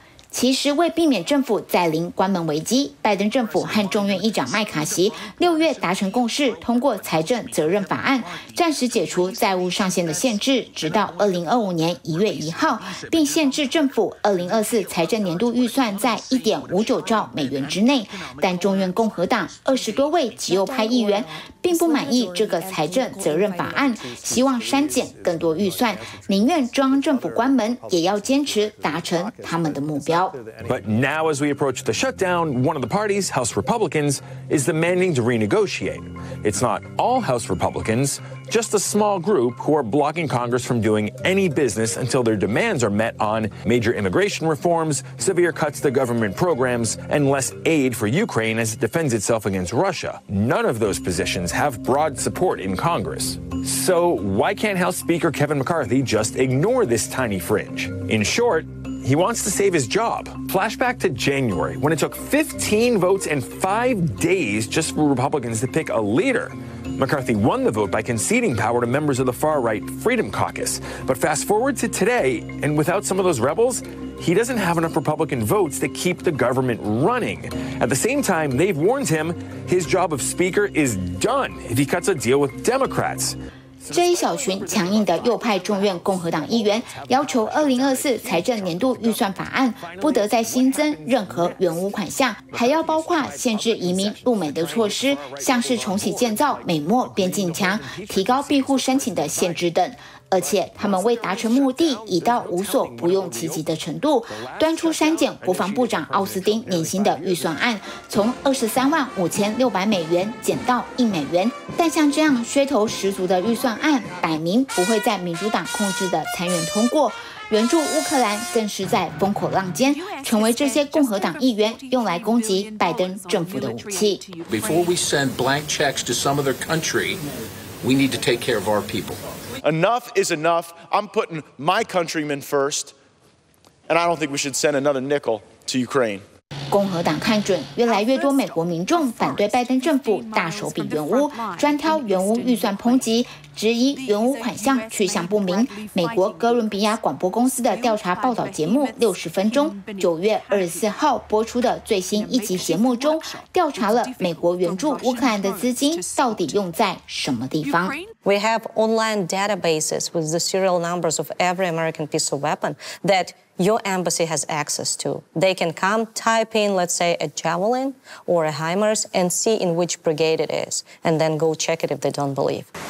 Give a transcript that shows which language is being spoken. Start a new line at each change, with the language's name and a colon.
Chinese: 其实为避免政府再临关门危机，拜登政府和众院议长麦卡锡六月达成共识，通过财政责任法案，暂时解除债务上限的限制，直到2025年1月1号，并限制政府2024财政年度预算在1.59兆美元之内。但众院共和党20多位极右派议员并不满意这个财政责任法案，希望删减更多预算，宁愿中央政府关门，也要坚持达成他们的目标。
English: But now as we approach the shutdown, one of the parties, House Republicans, is demanding to renegotiate. It's not all House Republicans, just a small group who are blocking Congress from doing any business until their demands are met on major immigration reforms, severe cuts to government programs, and less aid for Ukraine as it defends itself against Russia. None of those positions have broad support in Congress. So why can't House Speaker Kevin McCarthy just ignore this tiny fringe? In short,He wants to save his job. Flashback to January, when it took 15 votes and 5 days just for Republicans to pick a leader. McCarthy won the vote by conceding power to members of the far-right Freedom Caucus. But fast forward to today, and without some of those rebels, he doesn't have enough Republican votes to keep the government running. At the same time, they've warned him his job of speaker is done if he cuts a deal with Democrats.
Chinese: 这一小群强硬的右派众院共和党议员要求2024财政年度预算法案不得再新增任何援乌款项，还要包括限制移民入美的措施，像是重启建造美墨边境墙、提高庇护申请的限制等。而且他们为达成目的已到无所不用其极的程度，端出删减国防部长奥斯汀年薪的预算案，从23万5600美元减到1美元。但像这样噱头十足的预算案，摆明不会在民主党控制的参院通过。援助乌克兰更是在风口浪尖，成为这些共和党议员用来攻击拜登政府的武器。
English: Before we send blank checks to some other country, we need to take care of our people. Enough is enough. I'm putting my countrymen first, and I don't think we should send another nickel to Ukraine.
Chinese: 共和党看准越来越多美国民众反对拜登政府大手笔援乌，专挑援乌预算抨击，质疑援乌款项去向不明。美国哥伦比亚广播公司的调查报道节目《60分钟》9月24号播出的最新一集节目中，调查了美国援助乌克兰的资金到底用在什么地方。
English: We have online databases with the serial numbers of every American piece of weapon that. Your embassy has access to. They can come type in, let's say, a javelin or a HIMARS and see in which brigade it is, and then go check it if they don't believe.